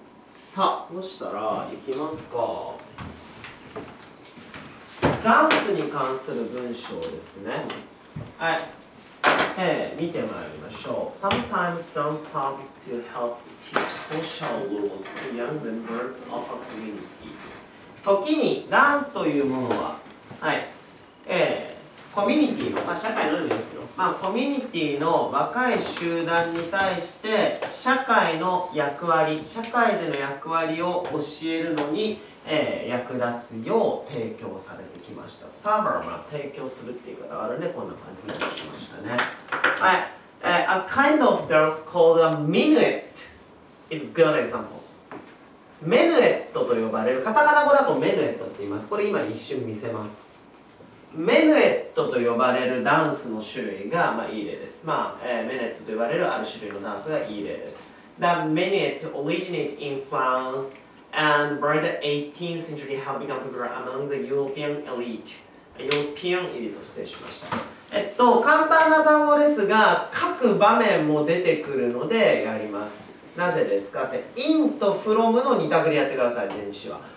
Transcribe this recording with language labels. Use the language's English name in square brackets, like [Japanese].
[Japanese] さあ、そしたら行きますか。ダンスに関する文章ですね。はい、見てまいりましょう。 [English] Sometimes dance serves to help teach social rules to young members of a community. [Japanese] 時にダンスというものは、はい、コミュニティの、まあ、社会のルールですけど、まあ、コミュニティの若い集団に対して社会の役割、社会での役割を教えるのに役立つよう提供されてきました。サーバーが提供するっていう言い方があるんで、こんな感じになりましたね。 [English] はい、A kind of dance called a minuet is a good example。 [Japanese] メヌエットと呼ばれる、カタカナ語だとメヌエットって言います。これ今一瞬見せます。メヌエットと呼ばれるダンスの種類が、まあ、いい例です。まあ、メヌエットと呼ばれるある種類のダンスがいい例です。 [English] The minuet originated in FranceAnd by the 18th century, have become popular among the European elite. European elite, [Japanese] 失礼しました。簡単な単語ですが、各場面も出てくるのでやります。なぜですかって、in と from の二択でやってください、電子は。